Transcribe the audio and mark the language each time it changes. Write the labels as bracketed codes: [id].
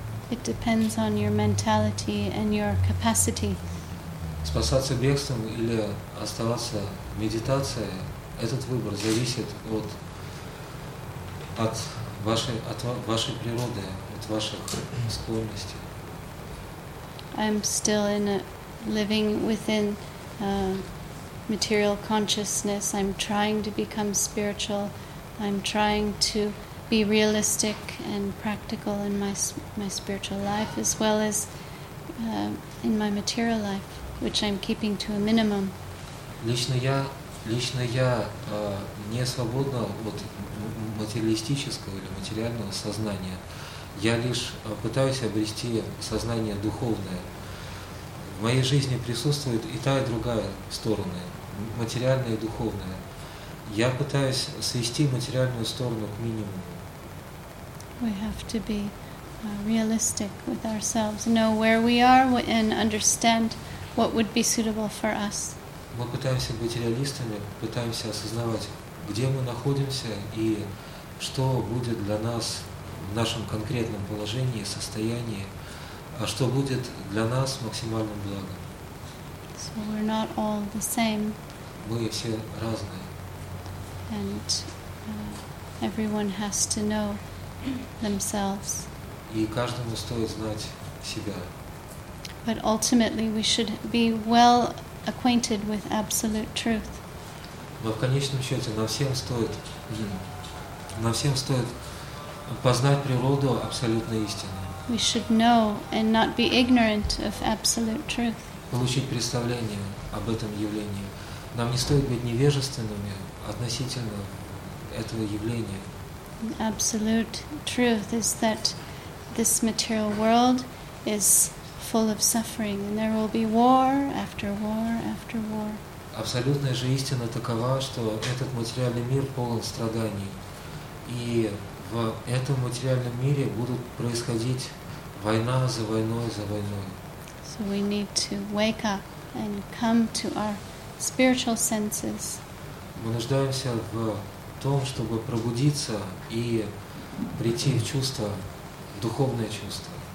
[en] It depends on your mentality and your capacity. [ru] Спасаться бегством или оставаться в медитации, этот выбор зависит от вашей природы, от ваших склонностей. [en] I'm still living within material consciousness. I'm trying to become spiritual. I'm trying to be realistic and practical in my spiritual life as well as in my material life, which I'm keeping to a minimum. [ru] Лично я не свободна от материалистического или материального сознания. Я лишь пытаюсь обрести сознание духовное. В моей жизни присутствует и та, и другая стороны, материальная и духовная. Я пытаюсь свести материальную сторону к минимуму. [en] We have to be realistic with ourselves, know where we are and understand what would be suitable for us. [ru] Мы пытаемся быть реалистами, пытаемся осознавать, где мы находимся и что будет для нас в нашем конкретном положении, состоянии, а что будет для нас максимальным благом. [en] So we're not all the same. [ru] Мы все разные. [en] And everyone has to know themselves. [ru] И каждому стоит знать себя. [en] But ultimately we should be well acquainted with absolute truth. [ru] Но в конечном счете нам всем стоит познать природу абсолютной истины. [en] We should know and not be ignorant of absolute truth. [ru] Получить представление об этом явлении. Нам не стоит быть невежественными относительно этого явления. [en] Absolute truth is that this material world is full of suffering, and there will be war after war after war. [ru] Абсолютная же истина такова, что этот материальный мир полон страданий, и в этом материальном мире будут происходить война за войной за войной. [en] So we need to wake up and come to our spiritual senses. [ru] Мы нуждаемся в том, чтобы пробудиться и прийти в чувство, в духовное чувство.